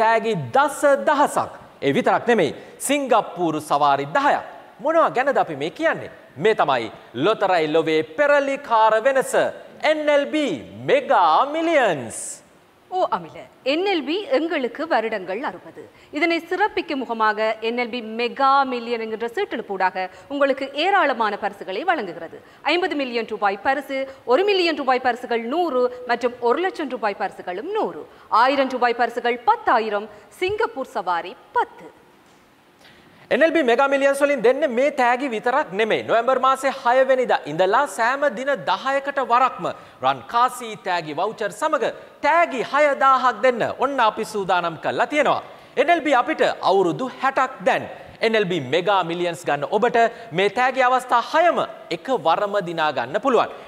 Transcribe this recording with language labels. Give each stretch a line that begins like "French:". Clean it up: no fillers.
Sinhala: ඒ විතරක් නෙමෙයි සිංගප්පූරු සවාරි 10ක් මොනවා ගැනද අපි මේ කියන්නේ මේ තමයි ලොතරැයි ලොවේ පෙරලිකාර වෙනස NLB මෙගා මිලියන්ස්
Tamil: ஓ அமில என்எல்பி எங்களுக்கு வருடங்கள் 60 இதனை சிறப்பிக்கும் முகமாக என்எல்பி மெகா மில்லியன் என்ற சீட்டெடுப்பூடாக உங்களுக்கு ஏராளமான பரிசுகளை வழங்குகிறது 50 மில்லியன் ரூபாய் பரிசு 1 மில்லியன் ரூபாய் பரிசுகள் 100 மற்றும் 1 லட்சம் ரூபாய் பரிசுகளும் 100 1000 ரூபாய் பரிசுகள் 10,000 சிங்கப்பூர் சவாரி 10
Sinhala: NLB Mega Millions වලින් දෙන්නේ මේ තෑගි විතරක් නෙමෙයි. නොවැම්බර් මාසේ 6 වෙනිදා ඉඳලා සෑම දින 10කට වරක්ම රන් කාසී තෑගි වවුචර් සමග තෑගි 6000ක් දෙන්න ඔන්න අපි සූදානම් කරලා තියෙනවා. NLB අපිට අවුරුදු 60ක් දැන්. NLB Mega Millions ගන්න ඔබට මේ තෑගි අවස්ථා 6ම එක වරම දිනා ගන්න පුළුවන්.